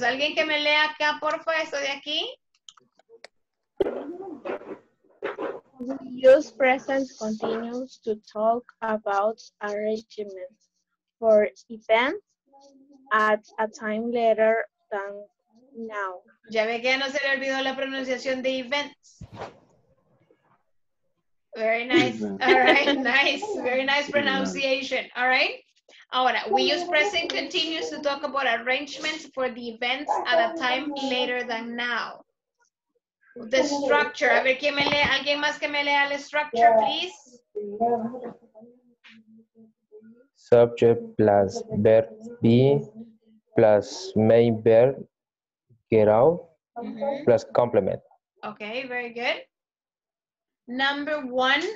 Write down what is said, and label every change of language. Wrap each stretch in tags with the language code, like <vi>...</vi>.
<es>¿Alguien que me lea acá, por favor, esto de aquí?</es> <en>We use present continuous to talk about arrangements for events at a time later than now.</en> <es>Ya ve que ya no se le olvidó la pronunciación de events.</es> <en>Very nice. All right, nice. Very nice pronunciation. All right.</en> <es>Ahora,</es> <en>we use present continuous to talk about arrangements for the events at a time later than now. The structure.</en> <es>A ver, ¿quién me lee? ¿Alguien más que me lea la structure,</es> <en>please?</en> <es>Subject plus verb be plus main verb get out, mm-hmm, plus complement. Okay, very good. Number one.</es>